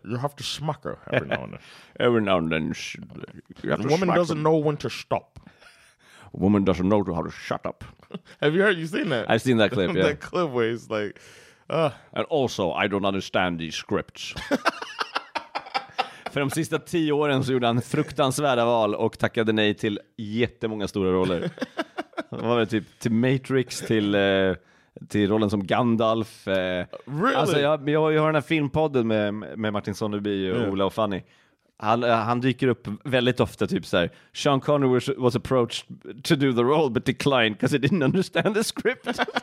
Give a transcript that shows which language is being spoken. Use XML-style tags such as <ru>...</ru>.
<en>you have to smack her every now and then. Every now and then. Woman doesn't know when to stop. Woman doesn't know how to shut up. Have you heard? You seen that? I've seen that clip, yeah. That clip where he's like... And also, I don't understand these scripts.</en> <sv>För de sista 10 åren så gjorde han fruktansvärda val och tackade nej till jättemånga stora roller. Det var typ till Matrix, till rollen som Gandalf.</sv> <en>Really?</en> <sv>Alltså jag har den här filmpodden med Martin Sonneby och Ola och Fanny. Han dyker upp väldigt ofta, typ så här:</sv> <en>Sean Connery was approached to do the role but declined because he didn't understand the script.</en>